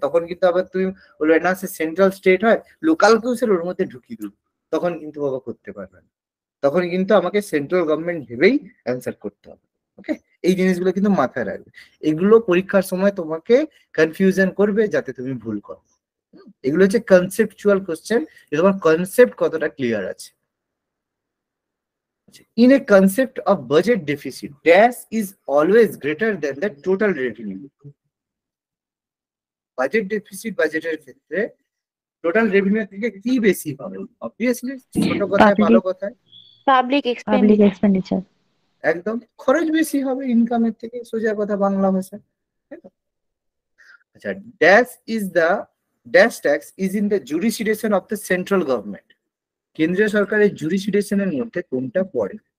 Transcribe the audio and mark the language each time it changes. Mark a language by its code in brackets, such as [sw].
[bn] তখন কিন্তু আবার তুমি বলবে না সে সেন্ট্রাল স্টেট হয়, লোকাল কেও স্যার ওর মধ্যে ঢুকিয়ে দিবে, তখন কিন্তু বাবা করতে পারবে না, তখন কিন্তু আমাকে সেন্ট্রাল গভর্নমেন্ট ভেবেই অ্যান্সার করতে হবে। ওকে, এই জিনিসগুলো কিন্তু মাথায় রাখবে, এগুলো পরীক্ষার সময় তোমাকে কনফিউশন করবে, যাতে তুমি ভুল করো। এগুলো হচ্ছে কনসেপচুয়াল কোশ্চেন, যে তোমার কনসেপ্ট কতটা ক্লিয়ার আছে। [en] in a concept of budget deficit, TAS is always greater than the total revenue. [bn] Budget deficit, budgeted ক্ষেত্রে total revenue থেকে কি বেশি পাবে? Obviously, ছোট কথায় ভালো কথায় [en] public expenditure. [bn] একদম খরচ বেশি হবে income থেকে সোজা কথা বাংলা ভাষায়। [en] আচ্ছা, TAS is the dash tax is in the jurisdiction of the central government. [bn] কেন্দ্রীয় সরকারের jurisdiction এর মধ্যে কোনটা পড়ে?